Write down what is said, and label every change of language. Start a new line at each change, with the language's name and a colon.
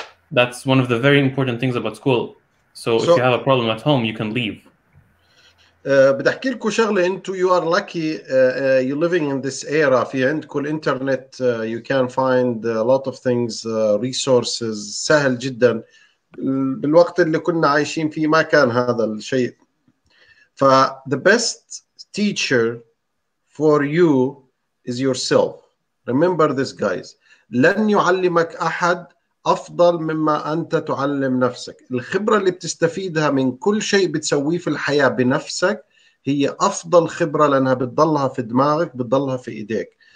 English: That's one of the very important things about school. So if you have a problem at home, you can leave.
Arabic: بدي احكي لكم شغله.
English: انتو you are lucky, you're living in this era.
Arabic: في عندكم الانترنت,
English: you can find a lot of things, resources,
Arabic: سهل جدا. بالوقت اللي كنا عايشين فيه ما كان هذا الشيء.
English: The best teacher for you is yourself. Remember this, guys.
Arabic: لن يعلمك أحد أفضل مما أنت تعلم نفسك. الخبرة اللي بتستفيدها من كل شيء بتسويه في الحياة بنفسك هي أفضل خبرة, لأنها بتضلها في دماغك, بتضلها في إيديك.